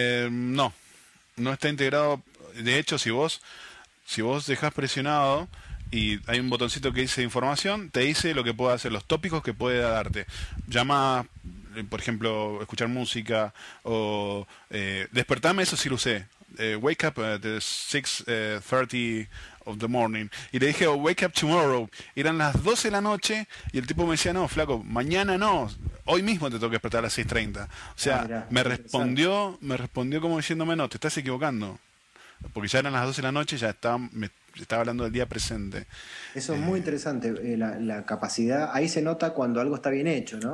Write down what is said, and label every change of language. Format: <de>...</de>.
<es>no, no está integrado. De hecho, si vos dejás presionado y hay un botoncito que dice información, te dice lo que puede hacer, los tópicos que puede darte. Llamadas, por ejemplo, escuchar música o despertame, eso sí lo usé.</es> <en>Wake up at 6:30 of the morning.</en> <es>Y le dije,</es> <en>oh, wake up tomorrow.</en> <es>Y eran las 12 de la noche y el tipo me decía, no, flaco, mañana no, hoy mismo te tengo que despertar a las 6:30. O Ah, sea, mira, interesante. me respondió como diciéndome, no, te estás equivocando. Porque ya eran las 12 de la noche, estaba hablando del día presente. Eso es muy interesante, la capacidad. Ahí se nota cuando algo está bien hecho, ¿no?</es>